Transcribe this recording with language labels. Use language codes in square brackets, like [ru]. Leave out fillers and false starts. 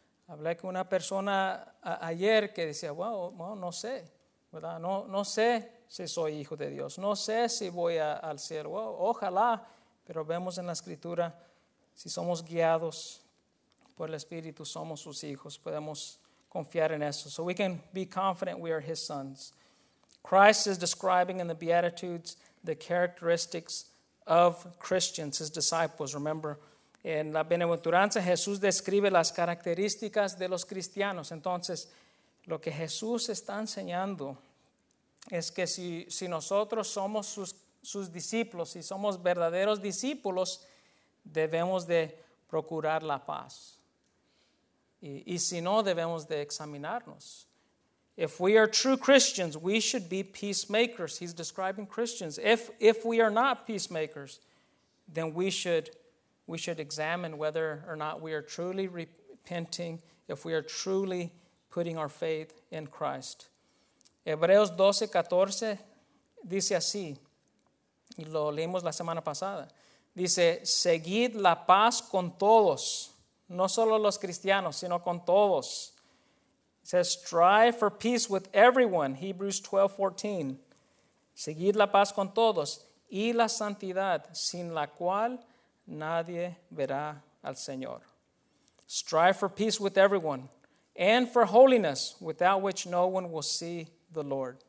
[es] Hablé con una persona ayer que decía, wow, no sé, ¿verdad? No sé si soy hijo de Dios. No sé si voy al cielo. Wow, ojalá. Pero vemos en la Escritura, si somos guiados por el Espíritu, somos sus hijos. Podemos confiar en eso. [en] So we can be confident we are his sons. Christ is describing in the Beatitudes the characteristics of Christians, his disciples. [es] Remember, en la Bienaventuranza, Jesús describe las características de los cristianos. Entonces, lo que Jesús está enseñando es que si nosotros somos sus discípulos, si somos verdaderos discípulos, debemos de procurar la paz. Y si no, debemos de examinarnos. [en] If we are true Christians, we should be peacemakers. He's describing Christians. If we are not peacemakers, then we should examine whether or not we are truly repenting, if we are truly putting our faith in Christ. [es] Hebreos 12:14 dice así, y lo leímos la semana pasada, dice, seguid la paz con todos, no solo los cristianos, sino con todos. [en] It says, strive for peace with everyone, Hebrews 12:14. [es] Seguid la paz con todos, y la santidad, sin la cual nadie verá al Señor. [en] Strive for peace with everyone, and for holiness, without which no one will see the Lord.